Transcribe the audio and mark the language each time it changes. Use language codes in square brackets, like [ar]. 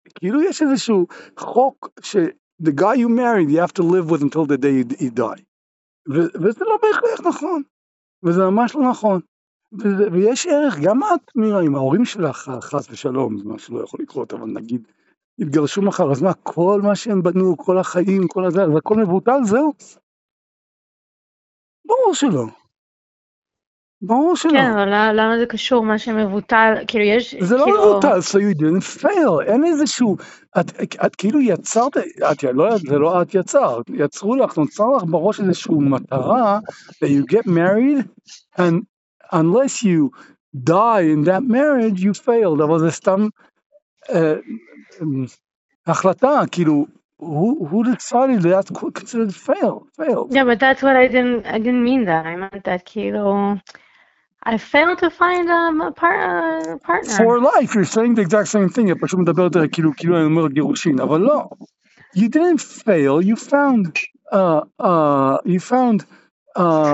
[he] כאילו יש איזשהו חוק ש [en] the guy you married you have to live with until the day he die. [he] וזה לא בהכרח נכון. וזה ממש לא נכון. ויש ערך, גם את מירה, עם ההורים שלך, חס ושלום, זה משהו לא יכול לקרות, אבל נגיד, התגרשו מחר, אז מה, כל מה שהם בנו, כל החיים, כל הזה, זה הכל מבוטל, זהו. ברור שלא. ברור שלא. כן, אבל למה זה קשור? מה שמבוטל, כאילו יש, זה לא כאילו מבוטל, [en] so you didn't fail. [he] אין איזשהו, את כאילו יצרת, את, לא, זה לא את יצרת, יצרו לך, נוצר לך בראש איזשהו מטרה, [en] that you get married, and unless you die in that marriage, you failed. [he] אבל זה סתם החלטה, כאילו, [en] who decided that considered failed? Yeah, but that's what I didn't mean that. I meant that, [he] כאילו, [en] I failed to find a partner. For life, you're saying the exact same thing. You're [he] פשוט מדבר יותר, כאילו אני אומר גירושין, אבל לא. [en] You didn't fail, you found you found two.